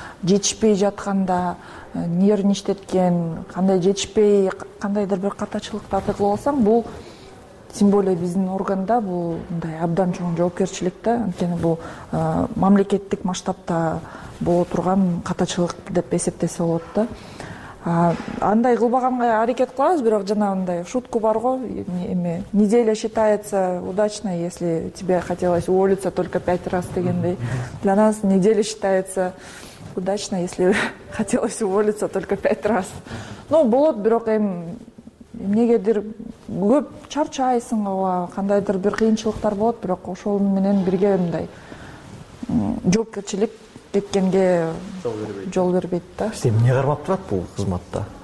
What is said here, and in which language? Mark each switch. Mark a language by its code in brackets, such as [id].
[ky] Жетишпей жатканда нервничтеткен, кандай жетишпей кандайдыр бир катачылыкта тыгылып алсаң, бул тем более биздин органда бул мындай абдан чоң жоопкерчилик да, анткени бул мамлекеттик масштабта боло турган катачылык деп эсептесе болот да. Андай кылбаганга аракет кылабыз, бирок жана мындай шутка бар го, эме неделя считается удачной, если тебе хотелось уволиться только 5 раз дегендей. [ru] Для нас неделя считается удачной, если хотелось уволиться только 5 раз. [ky] Ну болот, бирок эми эмнегедир көп чарчайсың, ооба, кандайдыр бир кыйынчылыктар болот, бирок ошол менен бирге мындай жоопкерчилик кеткенге жол бербейт да. Эмне кармап турат бул кызматта?